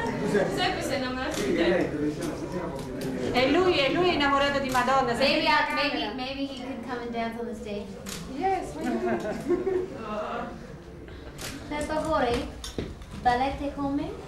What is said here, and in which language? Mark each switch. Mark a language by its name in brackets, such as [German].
[Italian] Giuseppe si è innamorato di te. E lui è innamorato di Madonna. [English] Maybe he can come and dance on the stage. Yes, maybe. [Italian] Per favore, ballate con me.